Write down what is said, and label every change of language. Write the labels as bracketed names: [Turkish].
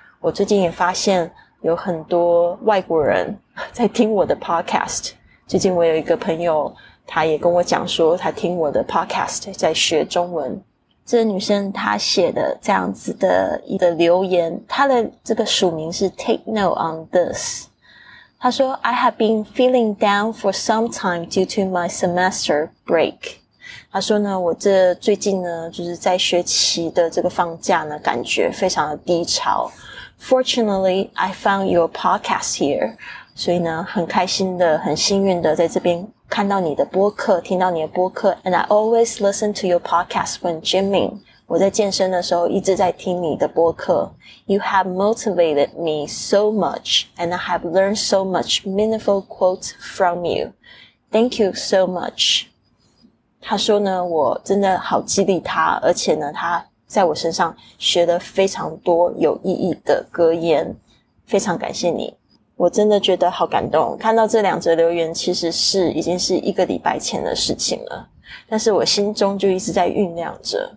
[Chinese] 我最近也发现有很多外国人在听我的 podcast， 最近我有一个朋友他也跟我讲说他听我的 podcast 在学中文。这个女生她写的这样子的一个留言，她的这个署名是 Take Note on This。她说 [English] I have been feeling down for some time due to my semester break。 [Chinese] 她说呢我这最近呢就是在学期的这个放假呢感觉非常的低潮。 [English] Fortunately, I found your podcast here. [Chinese] 所以呢很开心的很幸运的在这边看到你的播客，听到你的播客。 [English] And I always listen to your podcast when gymming. [Chinese] 我在健身的时候一直在听你的播客。 [English] You have motivated me so much and I have learned so much meaningful quotes from you. Thank you so much. [Chinese] 他说呢我真的好激励他，而且呢他在我身上学了非常多有意义的格言，非常感谢你。我真的觉得好感动，看到这两则留言其实是已经是一个礼拜前的事情了，但是我心中就一直在酝酿着。